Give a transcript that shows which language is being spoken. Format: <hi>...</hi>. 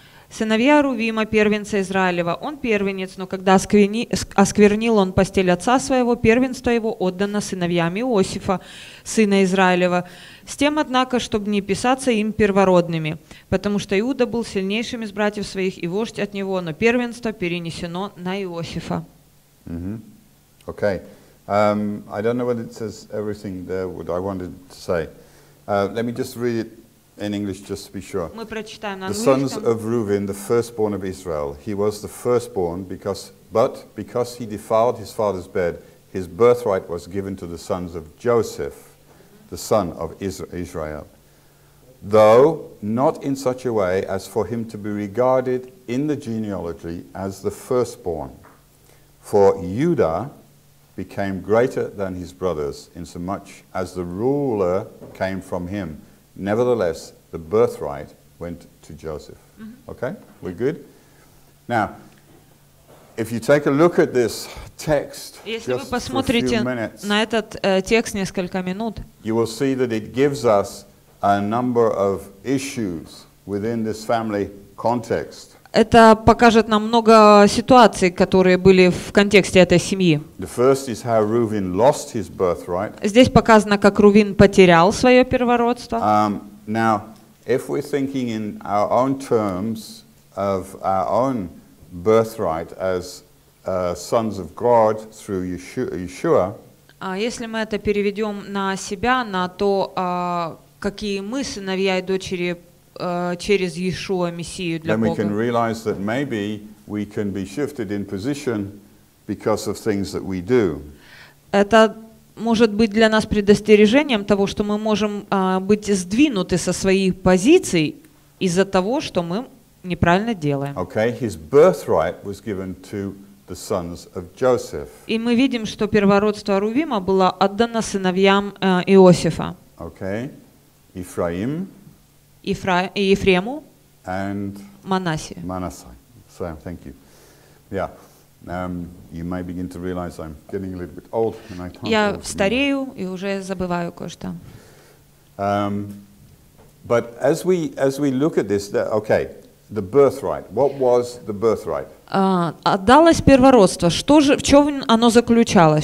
<ru>Сыновья Рувима, первенца Израилева, он первенец, но когда осквернил он постель отца своего, первенство его отдано сыновьям Иосифа, сына Израилева, с тем, однако, чтобы не писаться им первородными, потому что Иуда был сильнейшим из братьев своих, и вождь от него, но первенство перенесено на Иосифа.</ru> <en>Mm-hmm. Okay. I don't know what it says everything there, what I wanted to say. Let me just read it. In English, just to be sure.</en> <ru>Мы прочитаем на английском.</ru> <en>The sons of Reuben, the firstborn of Israel. He was the firstborn, because he defiled his father's bed, his birthright was given to the sons of Joseph, the son of Israel. Though not in such a way as for him to be regarded in the genealogy as the firstborn. For Judah became greater than his brothers, insomuch as the ruler came from him. Nevertheless, the birthright went to Joseph. Mm-hmm. Okay, we're good? Now, if you take a look at this text, just for a few minutes,</en> <ru>на этот, текст несколько минут,</ru> <en>you will see that it gives us a number of issues within this family context.</en> <ru>Это покажет нам много ситуаций, которые были в контексте этой семьи.</ru> <en>The first is how Reuben lost his birthright.</en> <ru>Здесь показано, как Рувим потерял свое первородство.</ru> <en>Now, if we're thinking in our own terms of our own birthright as sons of God through Yeshua,</en> <ru>если мы это переведем на себя, на то, какие мы сыновья и дочери через Иешуа, Мессию для</ru> <en>Then</en> <ru>Бога.</ru> <en>We can realize that maybe we can be shifted in position because of things that we do.</en> <ru>Это может быть для нас предостережением того, что мы можем быть сдвинуты со своих позиций из-за того, что мы неправильно делаем.</ru> <en>Okay, his birthright was given to the sons of Joseph.</en> <ru>И мы видим, что первородство Рувима было отдано сыновьям Иосифа.</ru> <en>Okay, Ephraim.</en> <ru>Ефрему.</ru> <en>And Manasseh. Manasseh. So, thank you. Yeah. You may begin to realize I'm getting a little bit old, and I can't.</en> <ru>Я старею и уже забываю кое-что.</ru> <en>But as we look at this, the birthright. What was the birthright?</en> <ru>Отдалось первородство. Что же, в чем оно заключалось?</ru>